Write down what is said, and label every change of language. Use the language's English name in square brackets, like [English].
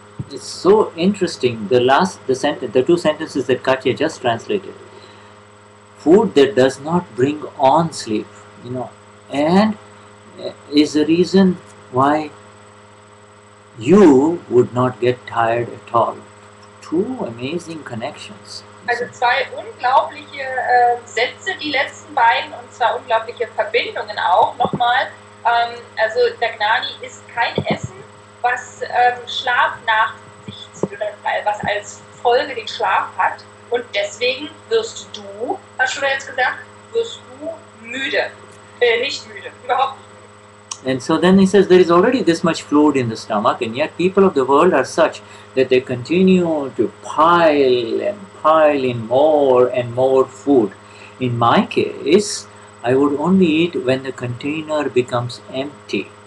[English] It's so interesting, the two sentences that Katja just translated. Food that does not bring on sleep, you know, and is the reason why you would not get tired at all. Two amazing connections. [German] Also zwei unglaubliche Sätze, die letzten beiden, und zwar unglaubliche Verbindungen auch nochmal. Also der Gnani ist kein Essen, was Schlaf nach was als Folge den Schlaf hat, und deswegen wirst du, hast du da jetzt gesagt, wirst du müde, nicht müde, überhaupt nicht. [English] And so then he says, there is already this much fluid in the stomach, and yet people of the world are such that they continue to pile and pile in more and more food. In my case, I would only eat when the container becomes empty.